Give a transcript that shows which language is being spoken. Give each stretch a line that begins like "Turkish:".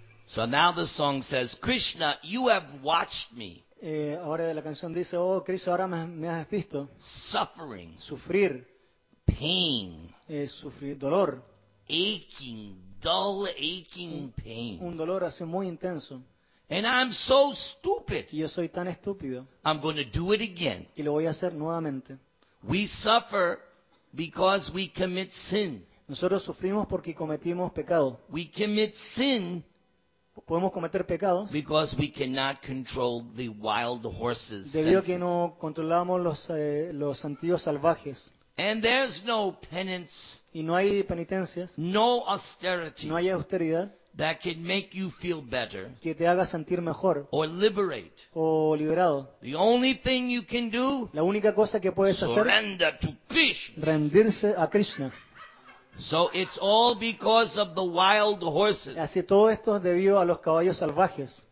English: So now the song says, Krishna, you have watched me.
Spanish: Ahora la canción dice, oh Cristo, ahora me has visto.
English: Suffering.
Spanish: Sufrir.
English: Pain.
Spanish: Sufrir dolor.
English: Aching, dull aching pain.
Spanish: Un dolor así muy intenso.
English: And I'm so stupid.
Spanish: Yo soy tan estúpido.
English: I'm going to do it again.
Spanish: Y lo voy a hacer nuevamente.
English: We suffer because we commit sin.
Spanish: Nosotros sufrimos porque cometimos pecado.
English: We commit sin.
Spanish: Podemos cometer pecados.
English: Because we cannot control the wild horses.
Spanish: Debido a que no controlamos los sentidos salvajes.
English: And there's no penance.
Spanish: Y no hay penitencias.
English: No austerity.
Spanish: No hay austeridad.
English: That can make you feel better.
Spanish: Que te haga sentir mejor.
English: Or liberate.
Spanish: O liberado.
English: The only thing you can do.
Spanish: La única cosa que puedes
English: surrender
Spanish: hacer.
English: To Krishna.
Spanish: Rendirse a Krishna.
English: So it's all because of the wild horses.
Spanish: Así todo esto es debido a los caballos salvajes.